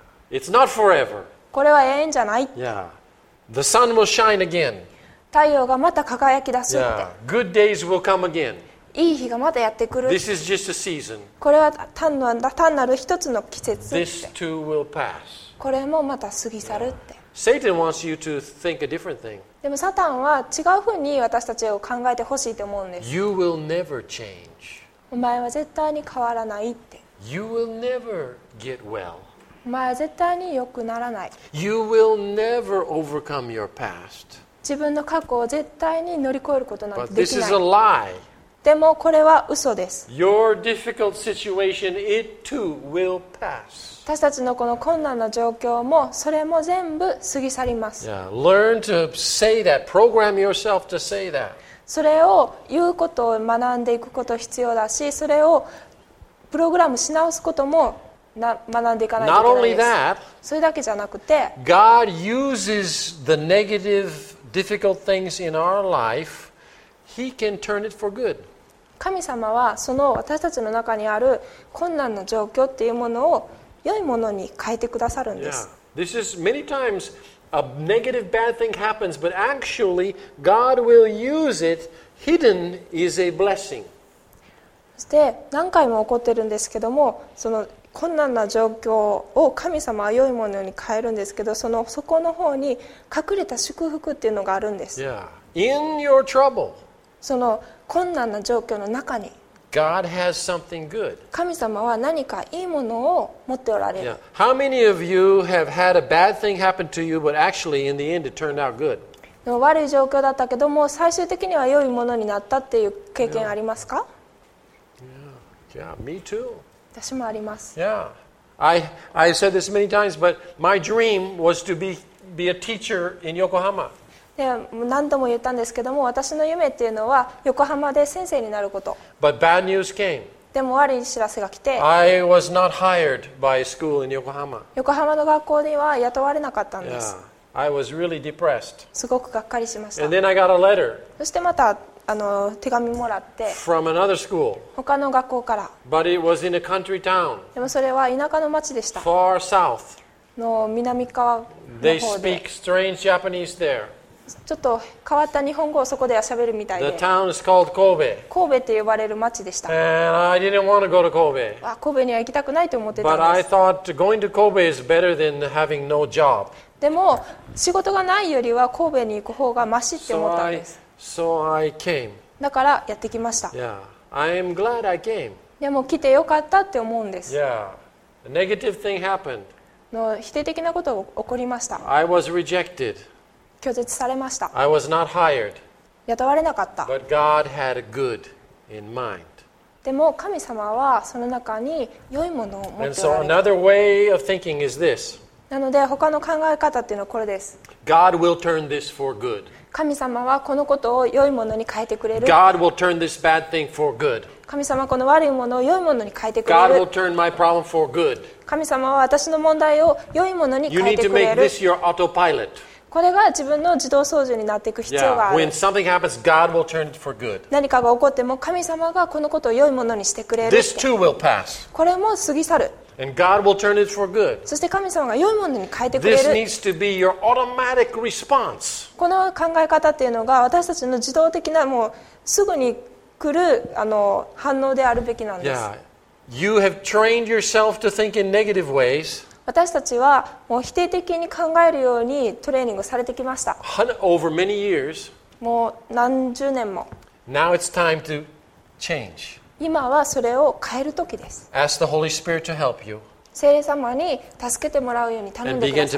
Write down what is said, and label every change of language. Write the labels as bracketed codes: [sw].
[en] Yeah. It's not forever. [ja] これは永遠じゃない。 [en] Yeah. The sun will shine again. [ja] 太陽がまた輝き出すって。 [en] Yeah. Good days will come again. [ja] いい日がまたやってくる。 [en] This is just a season. [ja] これは単なる一つの季節って。 [en] This too will pass. [ja] これもまた過ぎ去るって。Yeah. [en] Satan wants you to think a different thing. [ja] でもサタンは違うふうに私たちを考えてほしいと思うんです。 [en] You will never change. [ja] お前は絶対に変わらないって。 [en] You will never get well. [ja] お前は絶対に良くならない。 [en] You will never overcome your past. [ja] 自分の過去を絶対に乗り越えることなんてできない。 [en] But this is a lie. [ja] でもこれは嘘です。 [en] Your difficult situation, it too will pass. [ja] 私たちのこの困難な状況もそれも全部過ぎ去ります。 [en] Yeah. Learn to say that. Program yourself to say that. [ja] それを言うことを学んでいくこと必要だし、それをプログラムし直すことも学んでいかないといけないです。 [en] Not only that, [ja] それだけじゃなくて、 [en] God uses the negative, difficult things in our life. He can turn it for good. [ja] 神様はその私たちの中にある困難な状況っていうものを良いものに変えてくださるんです。 [en] Yeah. This is many times a negative bad thing happens, but actually God will use it. Hidden is a blessing. [ja] そして何回も起こってるんですけども、その困難な状況を神様は良いものに変えるんですけど、そのそこの方に隠れた祝福っていうのがあるんです。 [en] Yeah. In your trouble. [ja] その困難な状況の中に。 [en] God has something good. [ja] 神様は何かいいものを持っておられる。 [en] Yeah. How many of you have had a bad thing happen to you, but actually in the end it turned out good? [ja] 悪い状況だったけども最終的には良いものになったっていう経験ありますか？ [en] Yeah. Yeah. Me too. [ja] 私もあります。 [en] Yeah. I said this many times, but my dream was to be a teacher in Yokohama. [ja] で何度も言ったんですけども、私の夢っていうのは横浜で先生になること。 [en] But bad news came. [ja] でも悪い知らせが来て、 [en] I was not hired by a school in Yokohama. [ja] 横浜の学校には雇われなかったんです。 [en] Yeah. I was really depressed. [ja] すごくがっかりしました。 [en] And then I got a letter. [ja] そしてまた手紙もらって、 [en] from another school. [ja] 他の学校から。 [en] But it was in a country town. [ja] でもそれは田舎の町でした。 [en] Far south. [ja] の南側の方で。 [en] They speak strange Japanese there. [ja] ちょっと変わった日本語をそこでは喋るみたいで。 [en] The town is called Kobe. [ja] 神戸って呼ばれる町でした。 [en] And I didn't want to go to Kobe. [ja] 神戸には行きたくないと思ってたんです。 [en] But I thought going to Kobe is better than having no job. [ja] でも仕事がないよりは神戸に行く方がマシって思ったんです。 [en] So I came. [ja] だからやってきました。 [en] Yeah. I'm glad I came. [ja] でも来てよかったって思うんです。 [en] Yeah. A negative thing happened. [ja] の否定的なことが起こりました。 [en] I was rejected. [ja] 拒絶されました。 [en] I was not hired. [ja] 雇われなかった。 [en] But God had a good in mind. [ja] でも神様はその中に良いものを持っておられ [en] る。And so another way of thinking is this. [ja] なので他の考え方っていうのはこれです。 [en] God will turn this for good. [ja] 神様はこのことを良いものに変えてくれる。 [en] God will turn this bad thing for good. [ja] 神様はこの悪いものを良いものに変えてくれる。 [en] God will turn my problem for good. [ja] 神様は私の問題を良いものに変えてくれる。 [en] You need to make this your autopilot. [ja] これが自分の自動操縦になっていく必要がある。 [en] Yeah. When something happens, God will turn it for good. [ja] 何かが起こっても神様がこのことを良いものにしてくれる。 [en] This too will pass. [ja] これも過ぎ去る。 [en] And God will turn it for good. [ja] そして神様が良いものに変えてくれる。 [en] This needs to be your automatic response. [ja] この考え方っていうのが私たちの自動的なもうすぐに来る反応であるべきなんです。 [en] Yeah. You have trained yourself to think in negative ways. [ja] 私たちはもう否定的に考えるようにトレーニングされてきました。 [en] Over many years, [ja] もう何十年も。 [en] Now it's time to change. [ja] 今はそれを変える時です。 [en] Ask the Holy Spirit to help you. [ja] 聖霊様に助けてもらうように頼んでください。